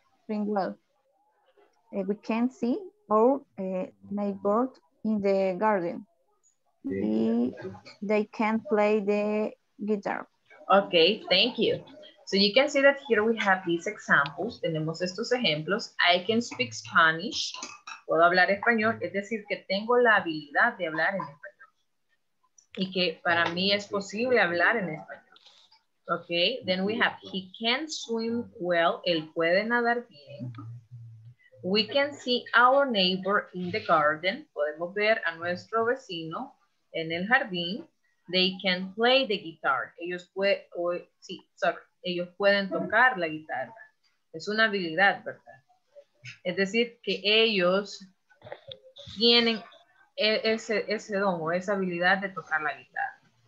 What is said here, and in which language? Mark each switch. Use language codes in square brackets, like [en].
[en] We can see our neighbor in the garden. They can play the guitar. Okay, thank you. So you can see that here we have these examples. [es] Tenemos estos ejemplos. [en] I can speak Spanish. [es] Puedo hablar español. Es decir, que tengo la habilidad de hablar en español. Y que para mí es posible hablar en español. [en] Okay, then we have he can swim well. [es] Él puede nadar bien. [en] We can see our neighbor in the garden. [es] Podemos ver a nuestro vecino en el jardín. [en] They can play the guitar. [es] Ellos pueden tocar la guitarra. Es una habilidad, ¿verdad? Es decir, que ellos tienen ese don o esa habilidad de tocar la guitarra.